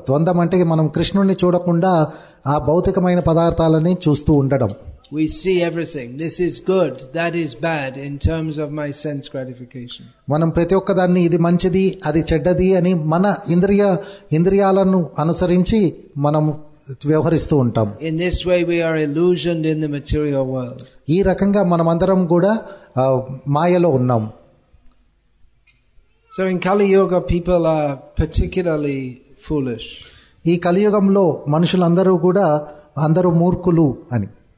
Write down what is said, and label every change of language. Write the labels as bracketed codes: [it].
[te] ద్వంద్వం అంటే మనం కృష్ణుణ్ణి చూడకుండా ఆ భౌతికమైన పదార్థాలని చూస్తూ ఉండడం. [en] We see everything. This is good, that is bad, in terms of my sense gratification. [te] మనం ప్రతి ఒక్క దాన్ని ఇది మంచిది అది చెడ్డది అని మన ఇంద్రియాలను అనుసరించి మనం వ్యవహరిస్తూ ఉంటాం. [en] In this way we are illusioned in the material world. [te] ఈ రకంగా మనమందరం కూడా మాయలో ఉన్నాం. [en] So in Kali Yuga people are particularly foolish. [te] ఈ కలియుగంలో మనుషులందరూ కూడా అందరూ మూర్ఖులు అని.